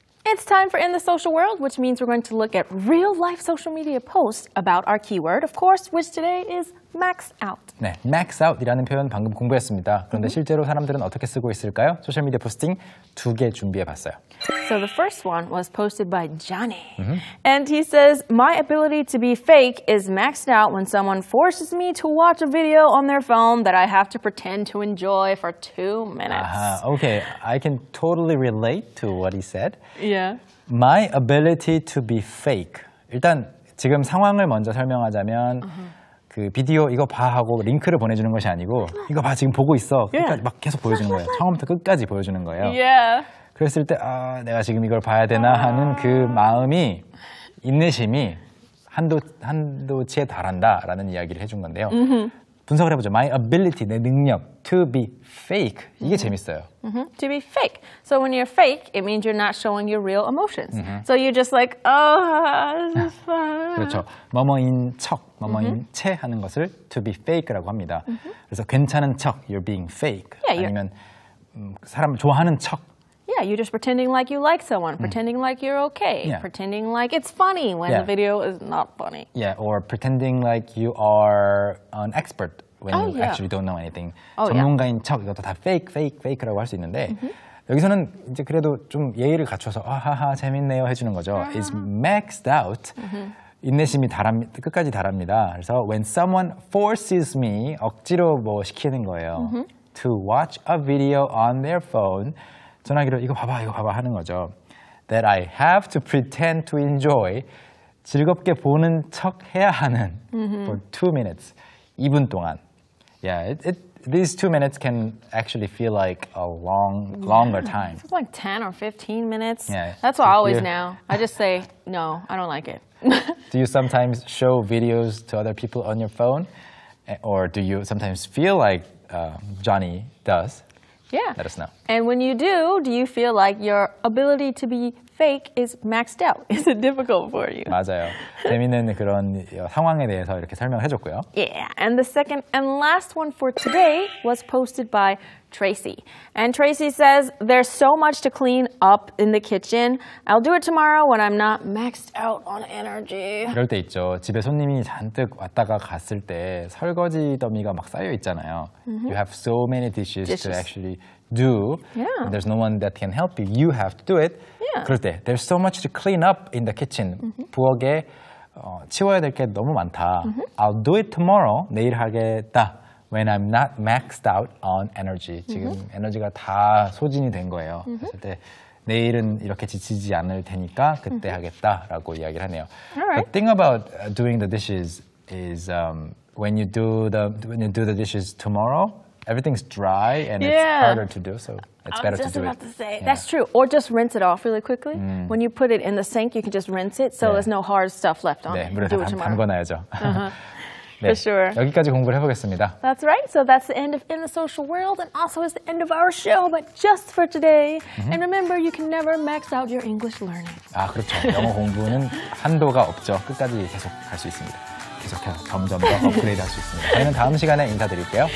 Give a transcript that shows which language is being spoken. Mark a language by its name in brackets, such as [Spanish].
[English] It's time for In the Social World, which means we're going to look at real-life social media posts about our keyword, of course, which today is max out. [Korean] 네, max out이라는 표현 방금 공부했습니다. 그런데 실제로 사람들은 어떻게 쓰고 있을까요? 소셜미디어 포스팅 두 개 준비해봤어요. [English] So the first one was posted by Johnny. Mm-hmm. And he says, my ability to be fake is maxed out when someone forces me to watch a video on their phone that I have to pretend to enjoy for 2 minutes. Okay, I can totally relate to what he said. Yeah. My ability to be fake. [Korean] 일단 지금 상황을 먼저 설명하자면 그 비디오 이거 봐 하고 링크를 보내주는 것이 아니고 이거 봐 지금 보고 있어. 끝까지 막 계속 보여주는 거예요. 처음부터 끝까지 보여주는 거예요. [English] Yeah. [Korean] 그랬을 때 아, 내가 지금 이걸 봐야 되나 하는 그 마음이 인내심이 한도치에 달한다라는 이야기를 해준 건데요. Mm-hmm. 분석을 해보죠. [English] My ability, [Korean] 내 능력, [English] to be fake. [Korean] 이게 mm-hmm. 재밌어요. [English] Mm-hmm. To be fake. So when you're fake, it means you're not showing your real emotions. Mm-hmm. So you're just like, oh, this is fun. [Korean] 그렇죠. 뭐뭐인 척, 뭐뭐인 mm-hmm. 채 하는 것을 [English] to be fake [Korean] 라고 합니다. Mm-hmm. 그래서 괜찮은 척, [English] you're being fake. Yeah, [Korean] 아니면 사람을 좋아하는 척. [English] Yeah, you're just pretending like you like someone, pretending like you're okay, yeah. pretending like it's funny when yeah. the video is not funny. Yeah, or pretending like you are an expert when oh, you yeah. actually don't know anything. Oh, [Korean] 전문가인 척, 이것도 다 fake, fake, fake라고 할 수 있는데 mm-hmm. 여기서는 이제 그래도 좀 예의를 갖춰서 아하하, 재밌네요 해주는 거죠. Uh-huh. [English] It's maxed out. Mm-hmm. [Korean] 인내심이 달합니다. 끝까지 달합니다. 그래서 [English] when someone forces me, [Korean] 억지로 뭐 시키는 거예요. Mm-hmm. [English] To watch a video on their phone. [Korean] 전화기로 이거 봐봐, 이거 봐봐 하는 거죠. [English] That I have to pretend to enjoy. [Korean] 즐겁게 보는 척 해야 하는 mm-hmm. [English] for 2 minutes. [Korean] 2분 동안. [English] Yeah, these 2 minutes can actually feel like a longer yeah. time. It's like 10 or 15 minutes. Yeah. That's what I always now. I just say, no, I don't like it. Do you sometimes show videos to other people on your phone? Or do you sometimes feel like Johnny does? Yeah. Let us know. And when you do you feel like your ability to be fake is maxed out? Is it difficult for you? [Korean] 맞아요. 재미있는 그런 상황에 대해서 이렇게 설명해 줬고요. [English] Yeah. And the second and last one for today was posted by Tracy. And Tracy says, there's so much to clean up in the kitchen. I'll do it tomorrow when I'm not maxed out on energy. [Korean] 그럴 때 있죠. 집에 손님이 잔뜩 왔다가 갔을 때 설거지 더미가 막 쌓여 있잖아요. Mm-hmm. [English] You have so many dishes to actually do. Yeah. And there's no one that can help you. You have to do it. Yeah. [Korean] 그럴 때 [English] there's so much to clean up in the kitchen. Mm-hmm. [Korean] 부엌에 치워야 될 게 너무 많다. Mm-hmm. [English] I'll do it tomorrow. [Korean] 내일 하겠다. [English] When I'm not maxed out on energy. [Korean] 지금 mm-hmm. 에너지가 다 소진이 된 거예요. Mm-hmm. 그럴 때 내일은 이렇게 지치지 않을 테니까 그때 mm-hmm. 하겠다라고 이야기를 하네요. [English] Right. The thing about doing the dishes is when you do the dishes tomorrow, everything's dry and yeah. it's harder to do, so it's better to do it. I was just about to say, yeah. that's true. Or just rinse it off really quickly. Mm. When you put it in the sink, you can just rinse it, so yeah. there's no hard stuff left on [Korean] 네, [English] it. [Korean] 네, 물을 다 담궈놔야죠. Uh-huh. 네, [English] For sure. [Korean] 여기까지 공부를 해보겠습니다. [English] That's right. So that's the end of In the Social World and also is the end of our show, but just for today. Mm-hmm. And remember, you can never max out your English learning. [Korean] 아, 그렇죠. 영어 공부는 한도가 없죠. 끝까지 계속 갈 수 있습니다. 계속해서 점점 더 업그레이드 할 수 있습니다. 저희는 다음 시간에 인사드릴게요.